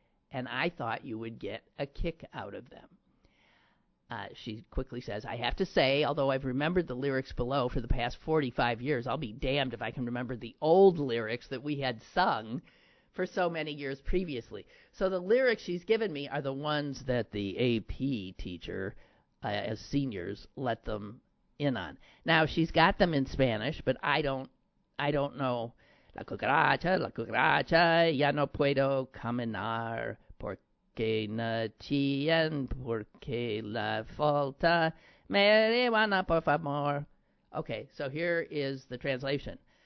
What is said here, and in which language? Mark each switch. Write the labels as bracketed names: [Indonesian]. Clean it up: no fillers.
[English] And I thought you would get a kick out of them. She quickly says, I have to say, although I've remembered the lyrics below for the past 45 years, I'll be damned if I can remember the old lyrics that we had sung for so many years previously. So the lyrics she's given me are the ones that the AP teacher, as seniors, let them in on. Now, she's got them in Spanish, but I don't know. [Spanish] La cucaracha, ya no puedo caminar. Que no tienen porque la falta marijuana, por favor. [English] Okay, so here is the translation.